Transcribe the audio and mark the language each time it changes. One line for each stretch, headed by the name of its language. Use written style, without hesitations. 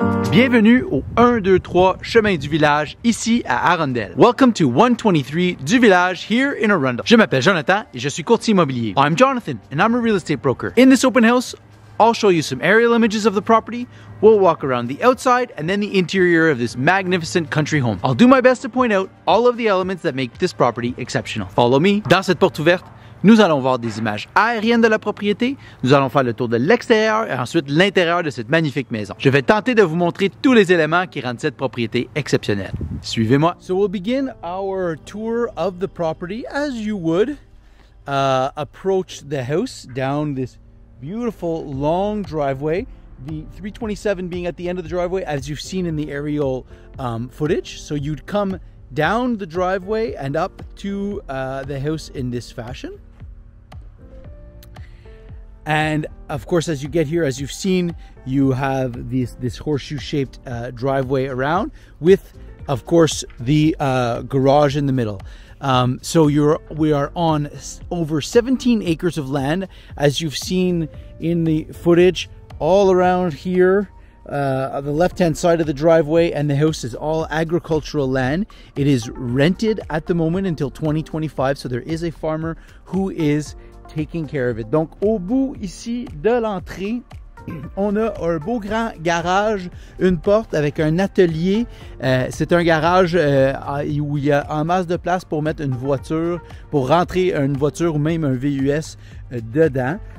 French: Bienvenue au 1-2-3 Chemin du Village, ici à Arundel.
English: Welcome to 123 du Village, here in Arundel.
French: Je m'appelle Jonathan et je suis courtier immobilier.
English: I'm Jonathan and I'm a real estate broker. In this open house, I'll show you some aerial images of the property, we'll walk around the outside and then the interior of this magnificent country home. I'll do my best to point out all of the elements that make this property exceptional. Follow me.
French: Dans cette porte ouverte, nous allons voir des images aériennes de la propriété, nous allons faire le tour de l'extérieur et ensuite l'intérieur de cette magnifique maison. Je vais tenter de vous montrer tous les éléments qui rendent cette propriété exceptionnelle. Suivez-moi.
English: So we'll begin our tour of the property as you would approach the house down this beautiful long driveway, the 327 being at the end of the driveway as you've seen in the aerial footage. So you'd come down the driveway and up to the house in this fashion. And of course, as you get here, as you've seen, you have this horseshoe-shaped driveway around with, of course, the garage in the middle. So we are on over 17 acres of land, as you've seen in the footage, all around here. On the left-hand side of the driveway and the house is all agricultural land. It is rented at the moment until 2025, so there is a farmer who is taking care of it.
French: Donc, au bout ici de l'entrée, on a un beau grand garage, une porte avec un atelier. C'est un garage où il y a en masse de place pour mettre une voiture, pour rentrer une voiture ou même un VUS dedans.